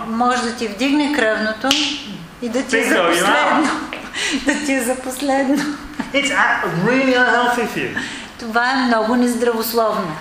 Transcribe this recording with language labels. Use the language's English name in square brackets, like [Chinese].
[Bulgarian] Може да ти вдигне кръвното и да ти е за последно. Да ти е за последно. [English] It's a really unhealthy fear. [Bulgarian] Това е много нездравословно.